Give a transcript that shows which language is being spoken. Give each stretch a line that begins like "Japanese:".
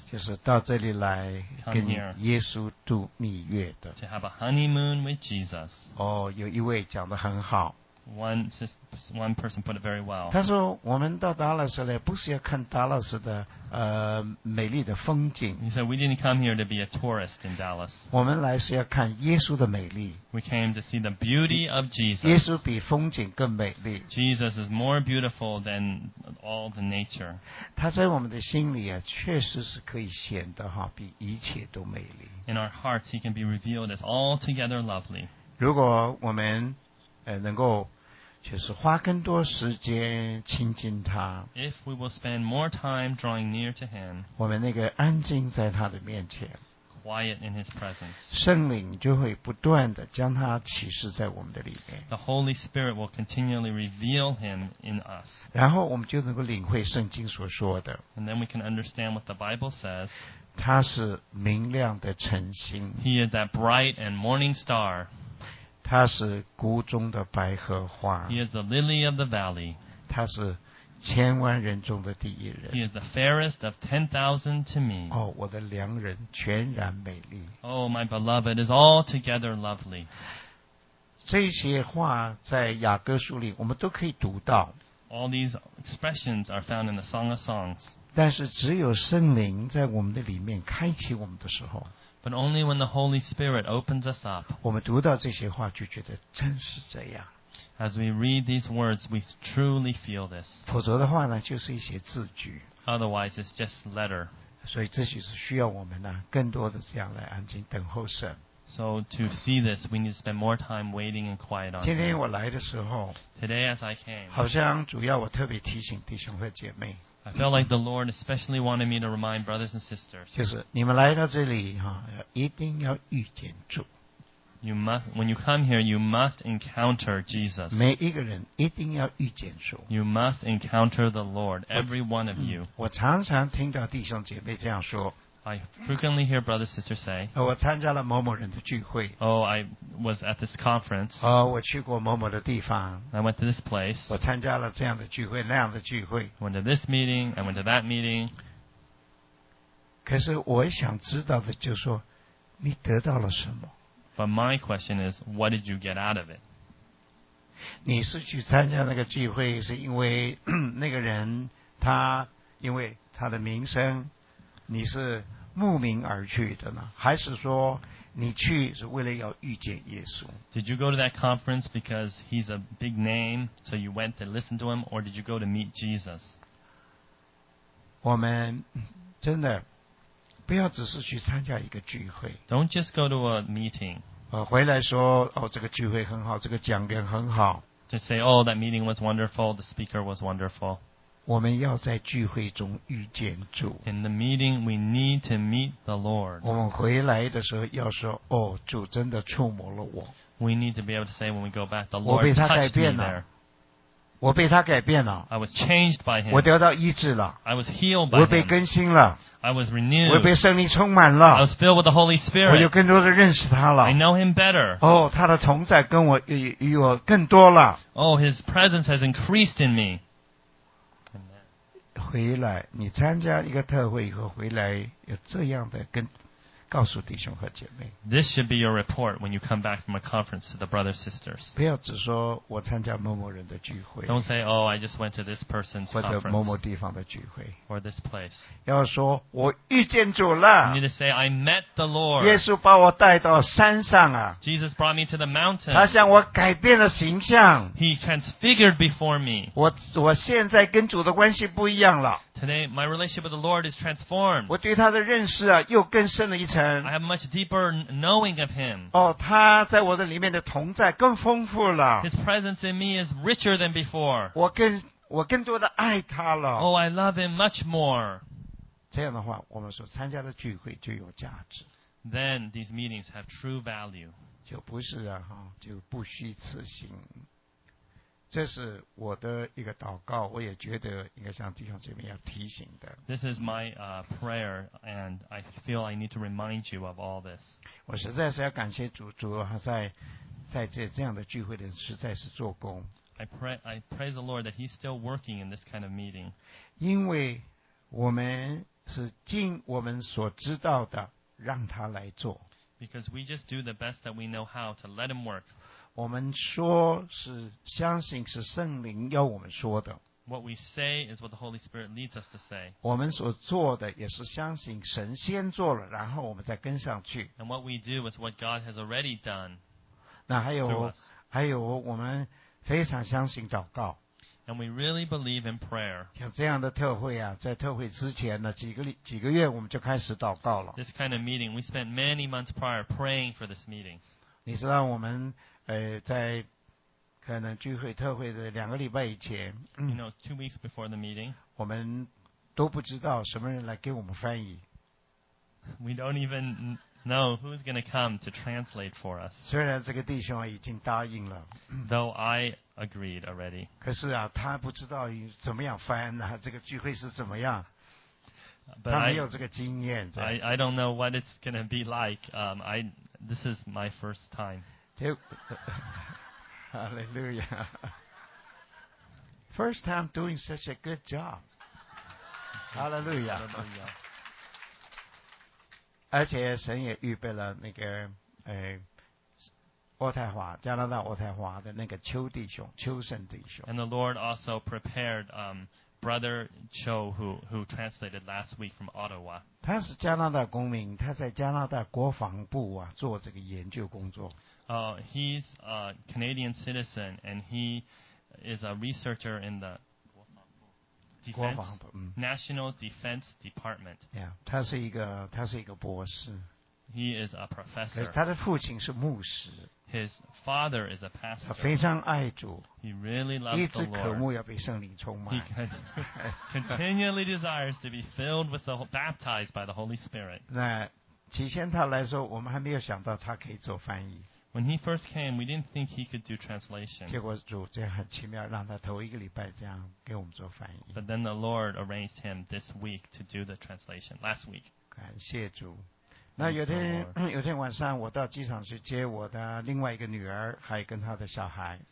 Chinese: 就是到这里来跟耶稣度蜜月的。
English: To have a honeymoon with Jesus.
Chinese: 哦，有一位讲得很好。
English: One person put it very well.
Chinese: 他说我们到达拉斯来不是要看达拉斯的美丽的风景。
English: He said we didn't come here to be a tourist in Dallas.
Chinese: 我们来是要看耶稣的美丽。
English: We came to see the beauty of Jesus.
Chinese: 耶稣比风景更美丽。
English: Jesus is more beautiful than all the nature.
Chinese: 他在我们的心里啊，确实是可以显得哈比一切都美丽。
English: In our hearts, he can be revealed as altogether lovely.
Chinese: 如果我们能够就是花更多时间亲近他
English: If we will spend more time drawing near to him,
Chinese: 我们那个安静在他的面前
English: quiet in his presence,
Chinese: 圣灵就会不断地将他启示在我们的里面
English: The Holy Spirit will continually reveal him in us.
Chinese: 然后我们就能够领会圣经所说的
English: And then we can understand what the Bible says.
Chinese: 他是明亮的晨星
English: He is that bright and morning star.
Chinese: 他是谷中的百合花。
English: He is the lily of the valley.
Chinese: 他是千万人中的第一人。
English: He is the fairest of 10,000 to me.
Chinese: 哦，我的良人全然美丽。
English: Oh, my beloved is altogether lovely.
Chinese: 这些话在雅各书里我们都可以读到。
English: All these expressions are found in the Song of Songs.
Chinese: 但是只有圣灵在我们的里面开启我们的时候
English: But only when the Holy Spirit opens us up.
Chinese: 我们读到这些话就觉得真是这样。
English: As we read these words, we truly feel this.
Chinese: 否则的话呢，就是一些字句。
English: Otherwise, it's just letter.
Chinese: 所以这些是需要我们呢，更多的这样来安静等候神。
English: So to see this, we need to spend more time waiting and quiet on.
Chinese: 今天我来的时候
English: ，Today as I came，
Chinese: 好像主要我特别提醒弟兄和姐妹。
English: I felt like the Lord especially wanted me to remind brothers and sisters.
Chinese: 就是你们来到这里哈，一定要遇见主。
English: You must when you come here, you must encounter Jesus.
Chinese: 每一个人一定要遇见主。
English: You must encounter the Lord, every one of you.
Chinese: 我常常听到弟兄姐妹这样说。
English: I frequently hear brothers and sisters say.
Chinese: 我参加了某某人的聚会。
English: Oh, I was at this conference.
Chinese: 哦，我去过某某的地方。
English: I went to this place.
Chinese: 我参加了这样的聚会，那样的聚会。
English: Went to this meeting. I went to that meeting.
Chinese: 可是我想知道的就是说，你得到了什么
English: ？But my question is, what did you get out of it?
Chinese: 你是去参加那个聚会，是因为那个人他因为他的名声。你是慕名而去的呢，还是说你去是为了要遇见耶稣
English: ？Did you go to that conference because he's a big name, so you went to listen to him, or did you go to meet Jesus?
Chinese: 我们真的不要只是去参加一个聚会。
English: Don't just go to a meeting.
Chinese: 回来说哦，这个聚会很好，这个讲员很好。
English: Just say, oh, that meeting was wonderful. The speaker was wonderful.
Chinese: 我们要在聚会中遇见主。
English: In the meeting, we need to meet the Lord.
Chinese: 我们回来的时候要说，哦，主真的触摸了我。
English: We need to be able to say when we go back, the Lord touched me there.
Chinese: 我被他改变了。我被他改变了。
English: I was changed by him.
Chinese: 我得到医治了。
English: I was healed by him.
Chinese: 我被更新了。
English: I was renewed.
Chinese: 我被圣灵充满了。
English: I was filled with the Holy Spirit.
Chinese: 我就更多的认识他了。
English: I know him better.
Chinese: 哦，他的同在跟我与我更多了。
English: Oh, his presence has increased in me.
Chinese: 回来，你参加一个特会以后回来，有这样的跟。告诉弟兄和姐妹。
English: This should be your report when you come back from a conference to the brothers and sisters.
Chinese: 不要只说我参加某某人的聚会。
English: Don't say, oh, I just went to this person's conference.
Chinese: 或者某某地方的聚会。
English: Or this place.
Chinese: 要说我遇见主了。
English: You need to say, I met the Lord.
Chinese: 耶稣把我带到山上啊。
English: Jesus brought me to the mountain.
Chinese: 他向我改变了形象。
English: He transfigured before me.
Chinese: 我现在跟主的关系不一样了。
English: Today, my relationship with the Lord is transformed.
Chinese: 我对他的认识啊，又更深了一层。
English: I have much deeper knowing of him.
Chinese: 哦，他在我的里面的同在更丰富了。
English: His presence in me is richer than before.
Chinese: 我更多的爱他了。
English: Oh, I love him much more.
Chinese: 这样的话，我们所参加的聚会就有价值。
English: Then these meetings have true value.
Chinese: 就不是啊，哈，就不虚此行。这是我的一个祷告，我也觉得应该向弟兄姐妹要提醒的。
English: This is my prayer, and I feel I need to remind you of all this.
Chinese: 我实在是要感谢主，主在这样的聚会里实在是做工。
English: I praise the Lord that He's still working in this kind of meeting.
Chinese: 因为我们是尽我们所知道的让他来做。
English: Because we just do the best that we know how to let Him work.
Chinese: 我们说是相信是圣灵要我们说的。
English: What we say is what the Holy Spirit leads us to say.
Chinese: 我们所做的也是相信神先做了，然后我们再跟上去。
English: And what we do is what God has already done.
Chinese: 那还有我们非常相信祷告。
English: And we really believe in prayer.
Chinese: 像这样的特会啊，在特会之前呢，几个月我们就开始祷告了。
English: This kind of meeting, we spent many months prior praying for this meeting.
Chinese: 你知道我们。在可能聚会特会的两个礼拜以前
English: you know, 2 weeks before the meeting,
Chinese: 我们都不知道什么人来给我们翻译
English: We don't even know who's going to come to translate for us
Chinese: 虽然这个弟兄已经答应了
English: Though I agreed already
Chinese: 可是啊他不知道怎么样翻啊这个聚会是怎么样
English: But
Chinese: 他没有这个经验
English: I don't know what it's going to be like this is my first time Hallelujah. First time doing such a good job. Hallelujah.
Chinese: 而且神也预备了那个渥太华加拿大渥太华的那个邱弟兄邱胜弟兄
English: And the Lord also prepared Brother Cho who translated last week from Ottawa.
Chinese: 他是加拿大公民他在加拿大国防部啊做这个研究工作
English: He's a Canadian citizen and he is a researcher in the National Defense Department.
Chinese: Yeah, 他是一个博士。
English: He is a professor.
Chinese: 他的父亲是牧师。
English: His father is a pastor.
Chinese: 他非常爱主。
English: He really loves the Lord.
Chinese: 一直渴慕要被圣灵充满。
English: He continually desires to be filled with the baptized by the Holy Spirit.
Chinese: 那起先他来说，我们还没有想到他可以做翻译。
English: When he first came, we didn't think he could do translation.
Chinese: 结果主这样很奇妙，让他头一个礼拜这样给我们做翻译。
English: But then the Lord arranged him this week to do the translation. Last week.
Chinese: 感谢主。那有天晚上，我到机场去接我的另外一个女儿，还跟她的小孩。